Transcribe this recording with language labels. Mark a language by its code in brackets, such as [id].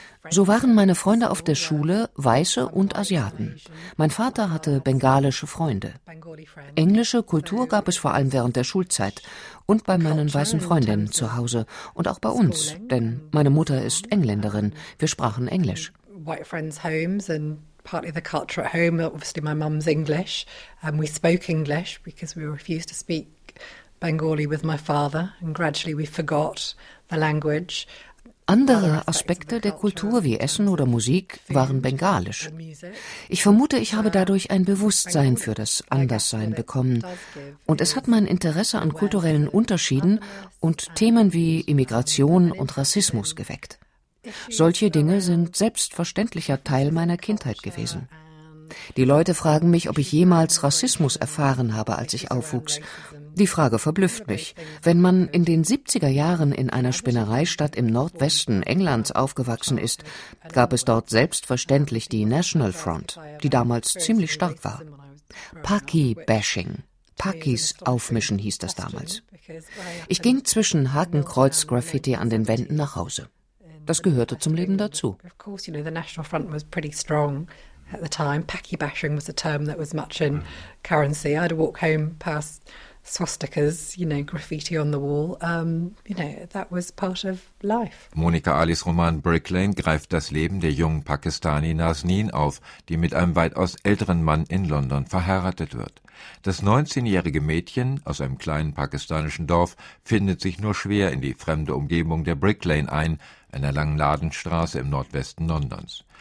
[de] So waren meine Freunde auf der Schule Weiße und Asiaten. Mein Vater hatte bengalische Freunde. Englische Kultur gab es vor allem während der Schulzeit und bei meinen weißen Freundinnen zu Hause und auch bei uns, denn meine Mutter ist Engländerin, wir sprachen Englisch. [en] White friends homes and partly the culture at home, obviously my mum's English, and we spoke English because we refused to speak Bengali with my father and gradually we forgot the language. [de] Andere Aspekte der Kultur wie Essen oder Musik waren bengalisch. Ich vermute, ich habe dadurch ein Bewusstsein für das Anderssein bekommen. Und es hat mein Interesse an kulturellen Unterschieden und Themen wie Immigration und Rassismus geweckt. Solche Dinge sind selbstverständlicher Teil meiner Kindheit gewesen. Die Leute fragen mich, ob ich jemals Rassismus erfahren habe, als ich aufwuchs. Die Frage verblüfft mich. Wenn man in den 70er Jahren in einer Spinnereistadt im Nordwesten Englands aufgewachsen ist, gab es dort selbstverständlich die National Front, die damals ziemlich stark war. Paki-Bashing. Pakis aufmischen hieß das damals. Ich ging zwischen Hakenkreuz-Graffiti an den Wänden nach Hause. Das gehörte zum Leben dazu. [en] At the time, Paki-Bashing was a term that was much in currency. I'd walk home past swastikas, you know, graffiti on the wall. You know, that was part of life. [de] Monika Alis Roman Brick Lane greift das Leben der jungen Pakistani Nazneen auf, die mit einem weitaus älteren Mann in London verheiratet wird. Das 19-jährige Mädchen aus einem kleinen pakistanischen Dorf findet sich nur schwer in die fremde Umgebung der Brick Lane ein, einer langen Ladenstraße im Nordwesten Londons.